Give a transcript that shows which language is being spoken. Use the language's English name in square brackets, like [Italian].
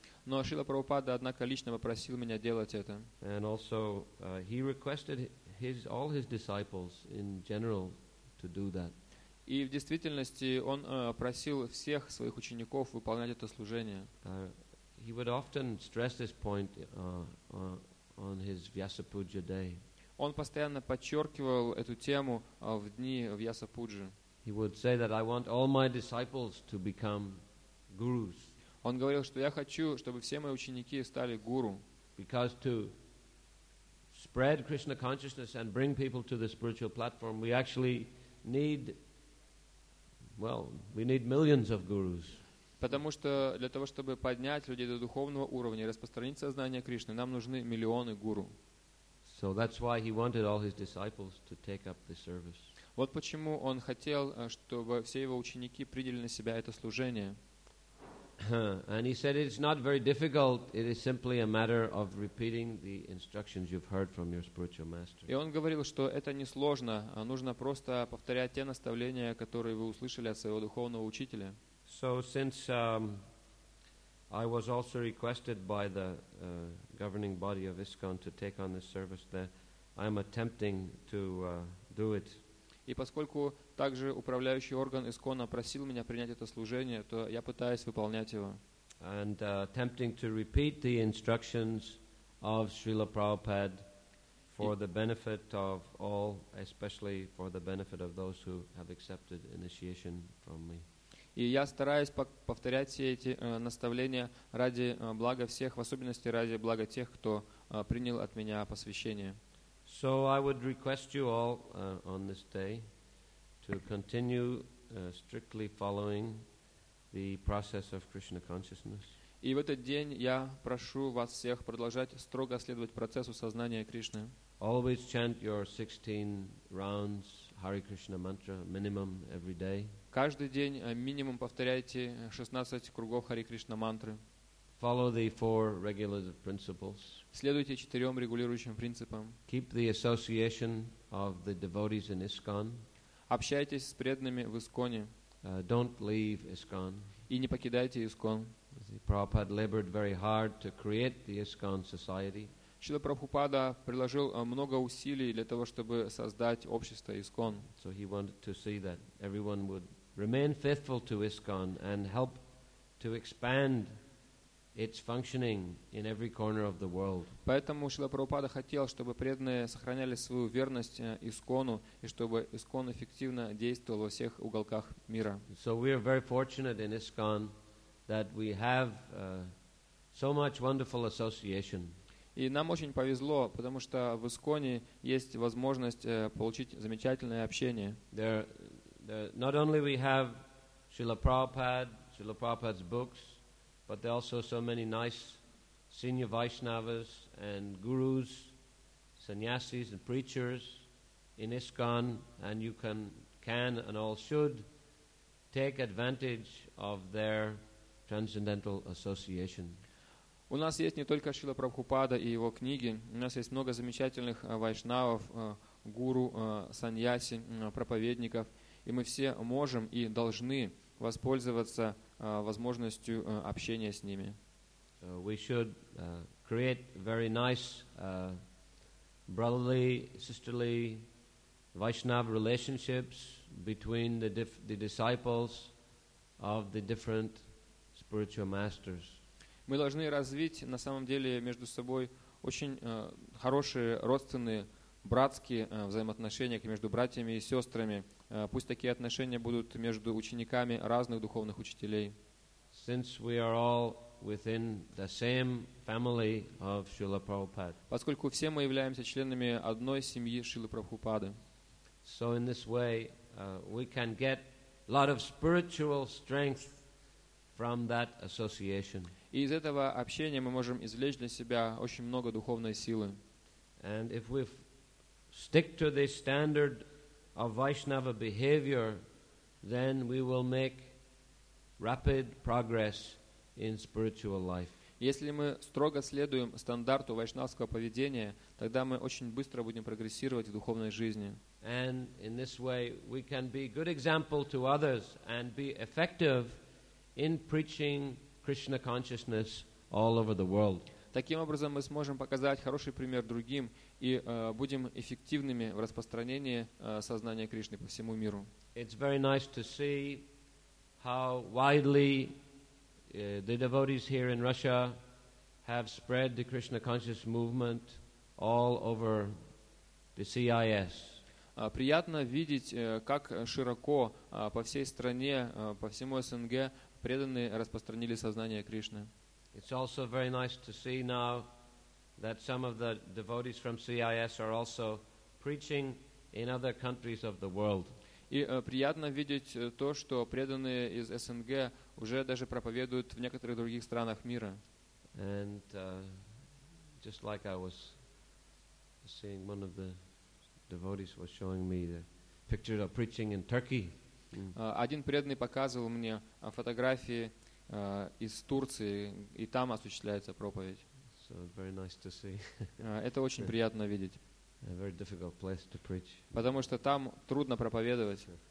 [Russian] Но Шрила Прабхупада, однако, лично попросил меня делать это. [English] And also, he requested all his disciples in general to do that. [Russian] И в действительности он просил всех своих учеников выполнять это служение. [English] He would often stress this point on his Vyasa Puja day. [Russian] Он постоянно подчеркивал эту тему в дни Вьяса Пуджи. [English] He would say that I want all my disciples to become gurus. [Russian] Он говорил, что я хочу, чтобы все мои ученики стали гуру. [English] Because to spread Krishna consciousness and bring people to the spiritual platform, we actually need, well, we need millions of gurus. [Russian] Потому что для того, чтобы поднять людей до духовного уровня и распространить сознание Кришны, нам нужны миллионы гуру. [English] So that's why he wanted all his disciples to take up the service. [Russian] Вот почему он хотел, чтобы все его ученики приняли на себя это служение. [English] And he said it's not very difficult, it is simply a matter of repeating the instructions you've heard from your spiritual master. [Russian] И он говорил, что это не сложно, а нужно просто повторять те наставления, которые вы услышали от своего духовного учителя. [English] So since I was also requested by the governing body of ISKCON to take on this service, that I am attempting to do it. [Russian] И поскольку также управляющий орган ИСККОНа просил меня принять это служение, то я пытаюсь выполнять его. [English] And attempting to repeat the instructions of Srila Prabhupada for the benefit of all, especially for the benefit of those who have accepted initiation from me. [Russian] И я стараюсь повторять все эти наставления ради блага всех, в особенности ради блага тех, кто принял от меня посвящение. [English] So I would request you all on this day to continue strictly following the process of Krishna consciousness. [Russian] И в этот день я прошу вас всех продолжать строго следовать процессу сознания Кришны. [English] Always chant your 16 rounds Hare Krishna mantra minimum every day. [Russian] Каждый день минимум повторяйте 16 кругов Hare Krishna мантры. [English] Follow the four regulative principles. [Russian] Следуйте четырем регулирующим принципам. [English] Keep the association of the devotees in ISKCON. [Russian] Общайтесь с преданными в ИСККОНе. [English] don't leave ISKCON. [Russian] И не покидайте ISKCON. [English] Prabhupada labored very hard to create the ISKCON society. [Russian] Шрила Прабхупада приложил много усилий для того, чтобы создать общество ISKCON. [English] So he wanted to see that everyone would remain faithful to ISKCON and help to expand its functioning in every corner of the world. [Russian] Поэтому Шрила Прабхупада хотел, чтобы преданные сохраняли свою верность ISKCONу и чтобы ISKCON эффективно действовал во всех уголках мира. [English] So we are very fortunate in ISKCON that we have so much wonderful association. [Russian] И нам очень повезло, потому что в ISKCONе есть возможность получить замечательное общение. [English] Not only we have Srila Prabhupada, Srila Prabhupada's books, but there are also so many nice senior Vaishnavas and gurus, sannyasis and preachers in ISKCON, and you can and all should take advantage of their transcendental association. [Russian] У нас есть не только Шрила Прабхупада и его книги, у нас есть много замечательных вайшнавов, гуру, саньяси, проповедников, и мы все можем и должны воспользоваться возможностью общения с ними. [English] We should create very nice brotherly, sisterly Vaishnava relationships between the disciples of the different spiritual masters. [Russian] Мы должны развить на самом деле между собой очень хорошие родственные братские взаимоотношения между братьями и сестрами. Пусть такие отношения будут между учениками разных духовных учителей. [English] Since we are all within the same family of Srila Prabhupada. [Russian] Поскольку все мы являемся членами одной семьи Шрилы Прабхупады. [English] So in this way we can get a lot of spiritual strength from that association. [Russian] И из этого общения мы можем извлечь для себя очень много духовной силы. [English] And if we stick to the standard of Vaishnava behavior, then we will make rapid progress in spiritual life. [Russian] Если мы строго следуем стандарту вайшнавского поведения, тогда мы очень быстро будем прогрессировать в духовной жизни. [English] And in this way we can be good example to others and be effective in preaching Krishna consciousness all over the world. [Russian] Таким образом мы сможем показать хороший пример другим и будем эффективными в распространении сознания Кришны по всему миру. [English] It's very nice to see how widely the devotees here in Russia have spread the Krishna conscious movement all over the CIS. [Russian] Приятно видеть, как широко по всей стране, по всему СНГ преданные распространили сознание Кришны. [English] It's also very nice to see now that some of the devotees from CIS are also preaching in other countries of the world. [Russian] И приятно видеть то, что преданные из СНГ уже даже проповедуют в некоторых других странах мира. [English] And just like I was seeing, one of the devotees was showing me the picture of preaching in Turkey. [Russian] Один преданный показывал мне фотографии из Турции, и там осуществляется проповедь. [English] So very nice to see. [Russian] Это очень приятно видеть. [English] A very difficult place to preach. [Russian] Потому что там трудно проповедовать.